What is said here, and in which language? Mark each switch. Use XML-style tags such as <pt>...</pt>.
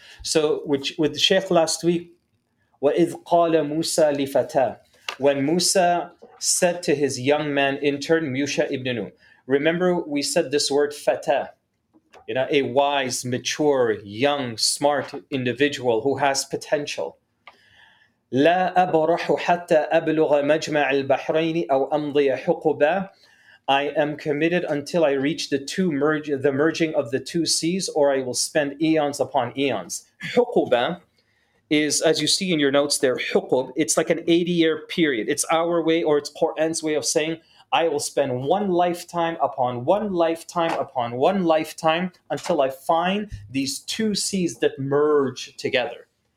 <en>So with Sheikh last week,</en> <ar>وَإِذْ قَالَ مُوسَى لِفَتَاهُ,</ar> <en>when Musa said to his young man intern, Musa ibn Nun, remember we said this word fatah, you know, a wise, mature, young, smart individual who has potential.</en> <ar>لا أبرح حتى أبلغ مجمع البحرين أو أمضي حقبا.</ar> <en>I am committed until I reach the merging of the two seas, or I will spend eons upon eons. حقبا is, as you see in your notes there, حقب. It's like an 80-year period. It's our way, or it's Quran's way of saying, I will spend one lifetime upon one lifetime upon one lifetime until I find these two seas that merge together.</en>